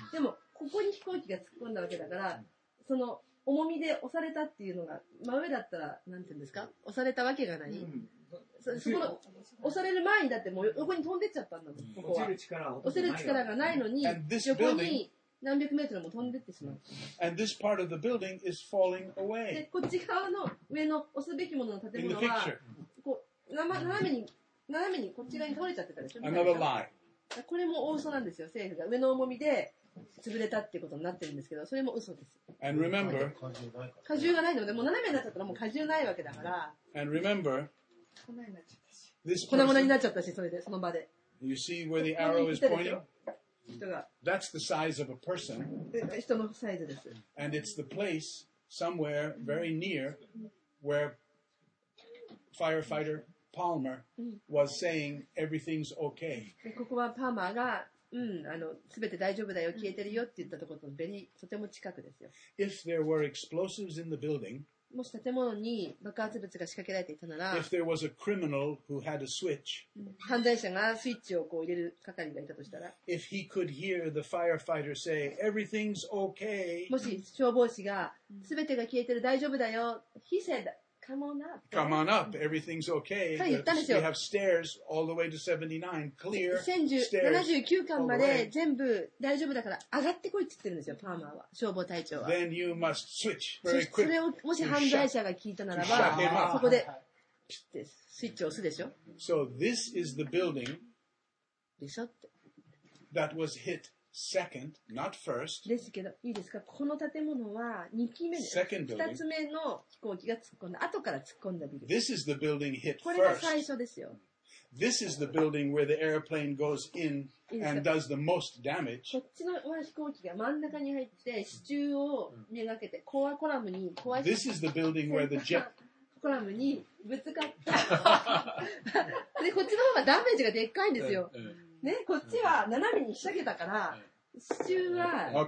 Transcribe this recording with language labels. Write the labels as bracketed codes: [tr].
[ja] でも、ここに飛行機が突っ込んだわけだから、その重みで押されたっていうのが、真上だったら、なんていうんですか？押されたわけがない。そこの押される前にだってもう横に飛んでっちゃったんだもん。ここは押せる力がないのに、横に。何百メートルも飛んでってしまう。 [en] And this part of the building is falling away. [ja] で、こっち側の上の押すべきものの建物は、こう斜めにこっち側に倒れちゃってたでしょ。 [en] Another lie. [ja] これも大嘘なんですよ、政府が。上の重みで潰れたっていうことになってるんですけど、それも嘘です。 [en] And remember, [ja] 荷重がないので、もう斜めになっちゃったらもう荷重ないわけだから。 [en] And remember, [ja] 粉々になっちゃったし、それでその場で。 [en] You see where the arrow is pointing? [ja] 人が [en] That's the size of a person. [ja] 人のサイズです。 [en] And it's the place somewhere very near where firefighter Palmer was saying everything's okay. [ja] ここはパーマーが、全て大丈夫だよ、消えてるよって言ったところととても近くですよ。 [en] If there were explosives in the building, [ja] もし建物に爆発物が仕掛けられていたなら、 [en] if there was a criminal who had a switch, [ja] 犯罪者がスイッチをこう入れる係がいたとしたら、 [en] if he could hear the firefighter say, everything's okay, [ja] もし消防士が全てが消えてる大丈夫だよ、 [en] he said, come on up, everything's okay, we have stairs all the way to 79, clear stairs, [ja] 79巻まで全部大丈夫だから上がってこいって言ってるんですよ、パーマーは、消防隊長は。 [en] Then you must switch very quickly. [ja] それをもし犯罪者が聞いたならば、そこでピッてスイッチを押すでしょ。 [en] So this is the building [ja] でしょって。 [en] that was hit second, not first. [ja] ですけど、いいですか？この建物は2機目です。 2つ目の飛行機が突っ込んだ、後から突っ込んだビル。 [en] This is the building hit [ja] first. これが最初ですよ。 [en] This is the building where the airplane goes in and does the most damage. [ja] こっちの飛行機が真ん中に入って支柱をめがけてコアコラムに壊して。 [en] This is the building where the jet [ja] コラムにぶつかった。でこっちの方がダメージがでっかいんですよ。ね、こっちは斜めにひしゃげたから支柱は、